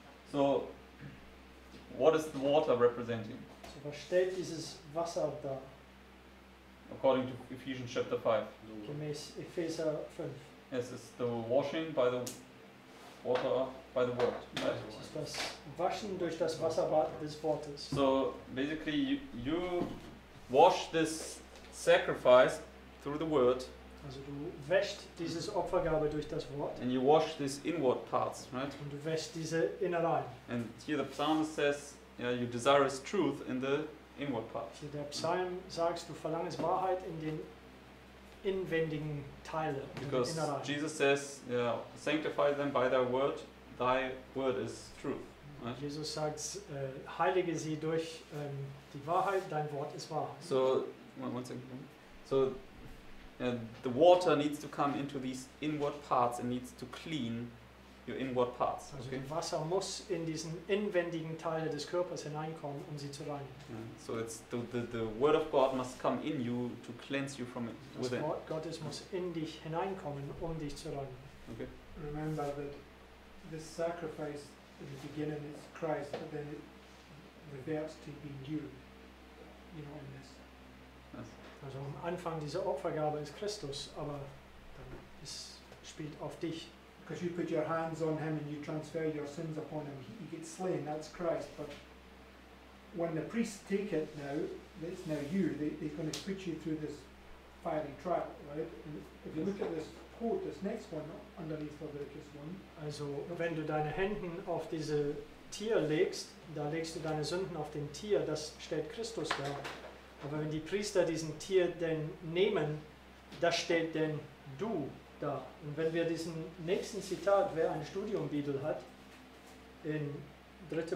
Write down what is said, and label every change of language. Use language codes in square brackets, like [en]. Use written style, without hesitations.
[en] So, what is the water representing? [de] So, was stellt dieses Wasser dar? [en] According to Ephesians chapter 5. [de] Gemäß Epheser 5. [en] Yes, it's the washing by the water. By the word. Right? [de] Das ist das Waschen durch das Wasserbad des Wortes. [en] So basically you wash this sacrifice through the word. [de] Also du wäschst dieses Opfergabe durch das Wort. [en] And you wash these inward parts, right? [de] Und du wäschst diese Innereien. [en] And here the psalmist says, yeah, you desire his truth in the inward parts. [de] Hier der Psalm sagt, du verlangst Wahrheit in den inwendigen Teilen. [en] Because [de] in den Innereien. [en] Jesus says, yeah, sanctify them by thy word. Thy word is truth. Right? [de] Jesus sagt, heilige sie durch die Wahrheit, dein Wort ist wahr. [en] So, one second. So, the water needs to come into these inward parts and needs to clean your inward parts. [de] Also [en] okay? [de] Wasser muss in diesen inwendigen Teile des Körpers hineinkommen, um sie zu reinigen. Mm-hmm. [en] So it's the word of God must come in you to cleanse you from it. [de] Das Wort Gottes muss in dich hineinkommen, um dich zu reinigen. [en] Okay. Remember that this sacrifice in the beginning is Christ, but then it reverts to being you. You know, in this. [de] Also am Anfang dieser Opfergabe ist Christus, aber dann es spielt auf dich. [en] Because you put your hands on him and you transfer your sins upon him, he gets slain, that's Christ. But when the priests take it now, it's now you, they're going to put you through this fiery trial, right? And if you look at this quote, this next one, underneath the Leviticus one. [de] Also wenn du deine Hände auf diese Tier legst, da legst du deine Sünden auf den Tier, das stellt Christus dar. Aber wenn die Priester diesen Tier denn nehmen, das stellt denn du dar. Und wenn wir diesen nächsten Zitat, wer ein Studiumbibel hat, in 3.